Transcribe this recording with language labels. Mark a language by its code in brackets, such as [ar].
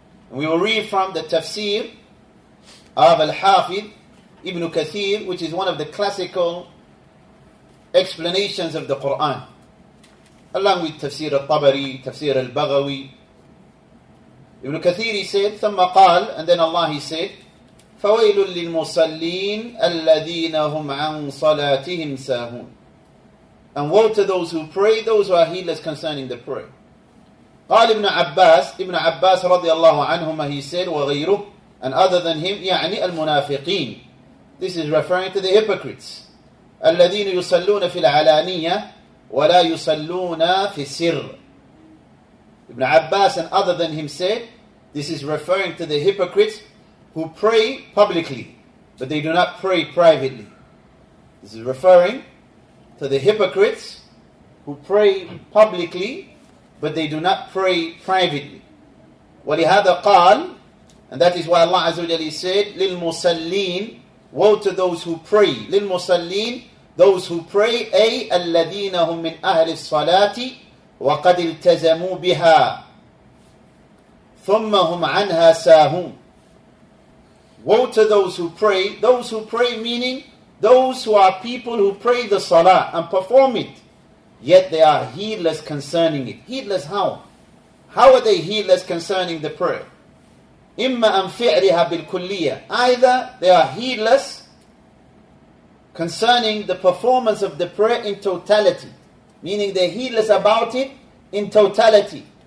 [en] We will read from the tafsir of Al-Hafidh ibn Kathir, which is one of the classical explanations of the Quran, along with tafsir al-Tabari, tafsir al-Baghawi. Ibn Kathir, he said, [ar] ثم قال, [en] and then Allah, he said, [ar] فويل للمصلين الذين هم عن صلاتهم ساهون. [en] And woe to those who pray, those who are heedless concerning the prayer. [ar] قال ابن عباس, ابن عباس رضي الله عنهما, [en] he said, [ar] وغيره, [en] and other than him, [ar] يعني المنافقين. [en] This is referring to the hypocrites. [ar] الذين يصلون في العلانية ولا يصلون في السر. [en] Ibn Abbas and other than him said, this is referring to the hypocrites who pray publicly, but they do not pray privately. This is referring to the hypocrites who pray publicly, but they do not pray privately. [ar] وَلِهَذَا قَالَ, [en] and that is why Allah Azza wa Jalla said, [ar] لِلْمُسَلِّينَ, [en] woe to those who pray. [ar] لِلْمُسَلِّينَ, [en] those who pray, [ar] أي الَّذِينَ هُمْ مِنْ أَهْلِ الصَّلَاةِ وَقَدْ الْتَزَمُوا بِهَا ثُمَّ هُمْ عَنْهَا سَاهُونَ. [en] Woe to those who pray. Those who pray meaning those who are people who pray the salah and perform it, yet they are heedless concerning it. Heedless how? How are they heedless concerning the prayer? [ar] إِمَّا أَنْ فِعْلِهَا بِالْكُلِّيَّةِ. [en] Either they are heedless concerning the performance of the prayer in totality, meaning they're heedless about it in totality.